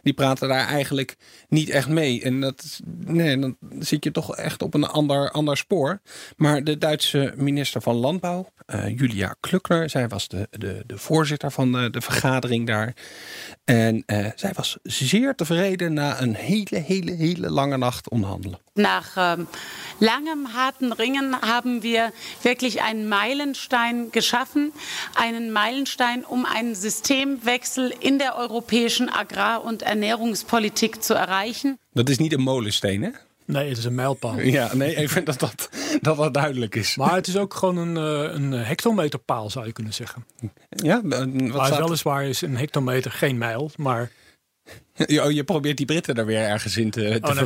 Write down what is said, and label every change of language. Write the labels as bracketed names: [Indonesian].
[Dutch] Die praten daar eigenlijk niet echt mee. En dat is, nee, dan zit je toch echt op een ander spoor. Maar de Duitse minister van Landbouw, Julia Klöckner, zij was de voorzitter van de vergadering daar. En zij was zeer tevreden na een hele, hele, hele lange nacht onderhandelen. [German] Na langem harten ringen hebben we wirklich einen Meilenstein geschaffen. Einen Meilenstein, um einen Systemwechsel in der europäischen Agrar- und Ernährungspolitik zu erreichen. [Dutch] Dat is niet een molensteen, hè? Nee, het is een mijlpaal. Ja, nee, even dat duidelijk is. Maar het is ook gewoon een hectometerpaal, zou je kunnen zeggen. Ja, weliswaar is een hectometer geen mijl, maar. Oh, je probeert die Britten daar weer ergens in te verwerken